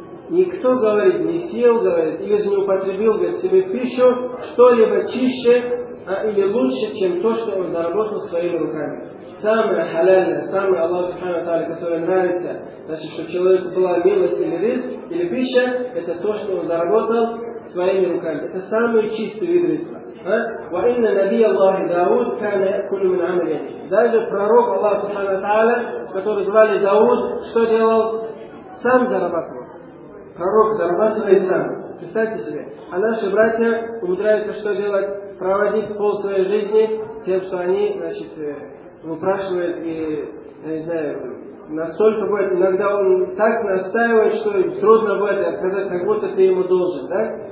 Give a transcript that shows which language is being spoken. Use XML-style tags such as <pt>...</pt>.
<ru>Никто, говорит, не съел, говорит, или же не употребил, говорит, себе пищу, что-либо чище или лучше, чем то, что он заработал своими руками. Самое халяльное, самое Аллаху субхана ва тааля, которое нравится, значит, что человеку была милость или риск, или пища, это то, что он заработал своими руками. Это самый чистый вид риска.</ru> <ar>وإن نبي الله داود كان يأكل من عمله.</ar> <ru>Даже пророк Аллах субхана ва тааля, который звали Дауд, что делал? Сам зарабатывал. Пророк зарабатывает сам. Представьте себе. А наши братья умудряются что делать? Проводить пол своей жизни тем, что они, значит, выпрашивают и, я не знаю, настолько бывает, иногда он так настаивает, что трудно бывает отказать, как будто ты ему должен, да?</ru>